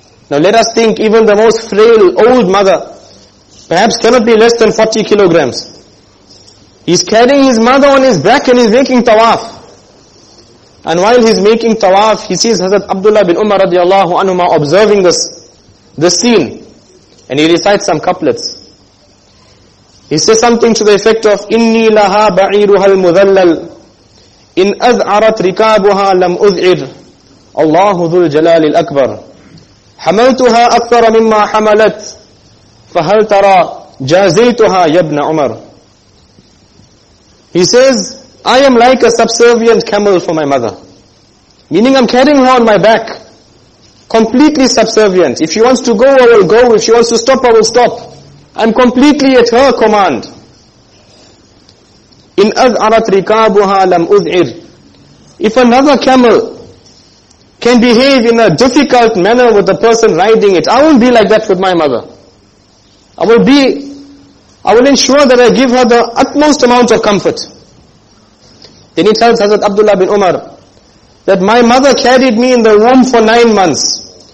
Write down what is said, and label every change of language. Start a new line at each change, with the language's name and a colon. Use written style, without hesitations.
English: Now let us think, even the most frail old mother perhaps cannot be less than 40 kilograms. He's carrying his mother on his back and he's making tawaf. And while he's making tawaf, he sees Hazrat Abdullah bin Umar radiallahu anhuma observing this scene. And he recites some couplets. He says something to the effect of,
Arabic: إِنِّي لَهَا بَعِيرُهَا الْمُذَلَّلُ إِنْ أَذْعَرَتْ رِكَابُهَا لَمْ أُذْعِرْ اللَّهُ ذُو الْجَلَالِ الْأَكْبَرِ حَمَلْتُهَا أَكْثَرَ مِمَّا حَمَلَتْ فَهَلْ تَرَى جَازَيْتُهَا يَبْنَ عُمَرٍ.
English: He says, I am like a subservient camel for my mother. Meaning I'm carrying her on my back. Completely subservient. If she wants to go, I will go. If she wants to stop, I will stop. I'm completely at her command.
Arabic: In أَذْعَرَتْ رِكَابُهَا لَمْ أُذْعِرْ.
English: If another camel can behave in a difficult manner with the person riding it, I won't be like that with my mother. I will ensure that I give her the utmost amount of comfort. Then he tells Hazrat Abdullah bin Umar that my mother carried me in the womb for 9 months.